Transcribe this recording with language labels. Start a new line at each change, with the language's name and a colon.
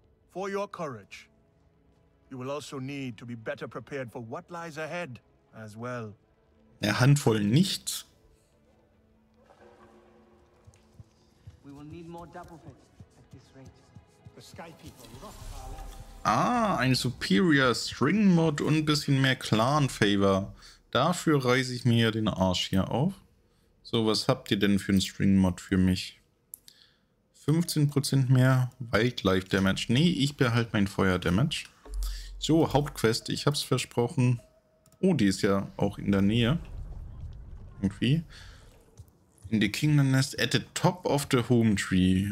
English: For your courage, you will also need to be better prepared for what lies ahead as well.
German: Eine Handvoll nicht.
English: We will need more double pits at this rate. The sky people rock our left.
German: Ah, ein Superior String Mod und ein bisschen mehr Clan Favor. Dafür reiße ich mir den Arsch hier auf. So, was habt ihr denn für einen String Mod für mich? 15% mehr Wildlife Damage. Nee, ich behalte mein Feuer Damage. So, Hauptquest, ich hab's versprochen. Oh, die ist ja auch in der Nähe. Irgendwie.
English: In the Kingdom Nest at the top of the home tree.